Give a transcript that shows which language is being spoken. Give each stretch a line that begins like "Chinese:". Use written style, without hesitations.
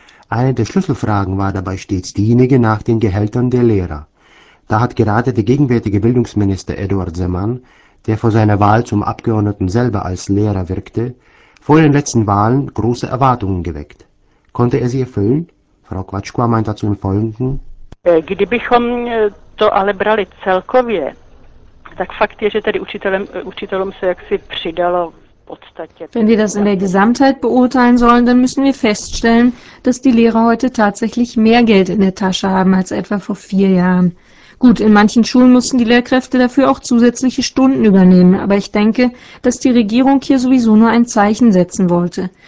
German: Eine der Schlüsselfragen war dabei stets diejenige nach den Gehältern der Lehrer. Da hat gerade der gegenwärtige Bildungsminister Eduard Zeman, der vor seiner Wahl zum Abgeordneten selber als Lehrer wirkte, vor den letzten Wahlen große Erwartungen geweckt. Konnte er sie erfüllen? Frau Kvačková meint dazu im Folgenden.
Czech: Kdybychom to ale brali celkově, tak fakt je, že tedy učitelům se jaksi přidalo.
German: Wenn wir das in der Gesamtheit beurteilen sollen, dann müssen wir feststellen, dass die Lehrer heute tatsächlich mehr Geld in der Tasche haben als etwa vor 4 Jahren. Gut, in manchen Schulen mussten die Lehrkräfte dafür auch zusätzliche Stunden übernehmen, aber ich denke, dass die Regierung hier sowieso nur ein Zeichen setzen wollte.